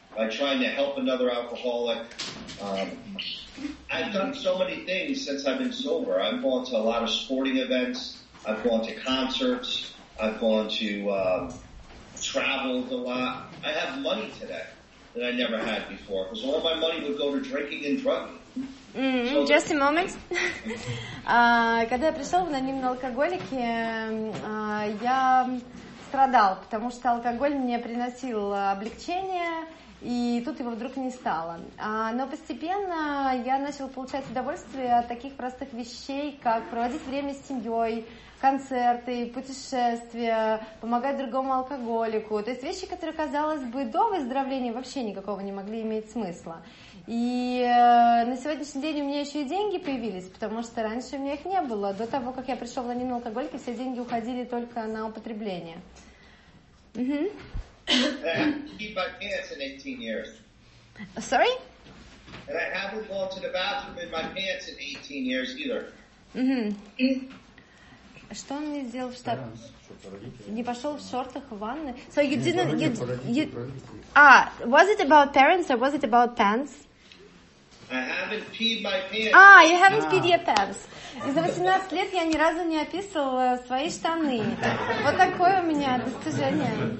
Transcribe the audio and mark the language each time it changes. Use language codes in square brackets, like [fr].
[en] By trying to help another alcoholic, I've done so many things since I've been sober. I've gone to a lot of sporting events, I've gone to concerts, I've gone to traveled a lot. I have money today that I never had before, because all my money would go to drinking and drugging. Just a moment. [ru] Когда я пришел в анонимные алкоголики, я страдал, потому что алкоголь мне приносил облегчение, и тут его вдруг не стало. Но постепенно я начал получать удовольствие от таких простых вещей, как проводить время с семьей, концерты, путешествия, помогать другому алкоголику. То есть вещи, которые, казалось бы, до выздоровления вообще никакого не могли иметь смысла. И на сегодняшний день у меня еще и деньги появились, потому что раньше у меня их не было. До того, как я пришел в анонимные алкоголики, все деньги уходили только на употребление. [en] Sorry? And I haven't gone to the bathroom in my pants in 18 years either. [ru] Mm-hmm. Что он мне сделал в штаб? Родители, не пошел в шортах в ванны? [en] So you [ru] не, [en] didn't... [ru] Родители, [en] you, [ru] родители, [en] you, [ru] родители. [en] А, was it about parents or was it about pants? I haven't peed my pants. А, you haven't peed your pants. [ru] И за 18 лет я ни разу не описывал свои штаны. Вот такое у меня достижение.